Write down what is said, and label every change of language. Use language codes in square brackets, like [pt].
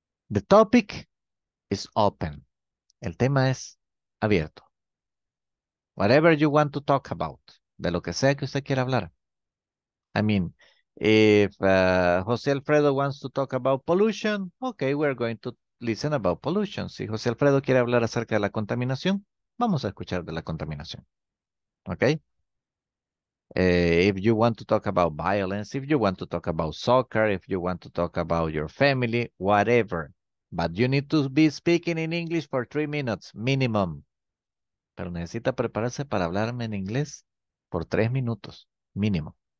[en] The topic is open. [es] El tema es abierto. [en] Whatever you want to talk about, [es] de lo que sea que usted quiera hablar. [en] I mean, if José Alfredo wants to talk about pollution, okay, we're going to listen about pollution. [es] Si José Alfredo quiere hablar acerca de la contaminación, vamos a escuchar de la contaminación. Okay? [en] If you want to talk about violence, if you want to talk about soccer, if you want to talk about your family, whatever. But you need to be speaking in English for 3 minutes, minimum. [es] Pero necesita prepararse para hablarme en inglés por 3 minutos, mínimo.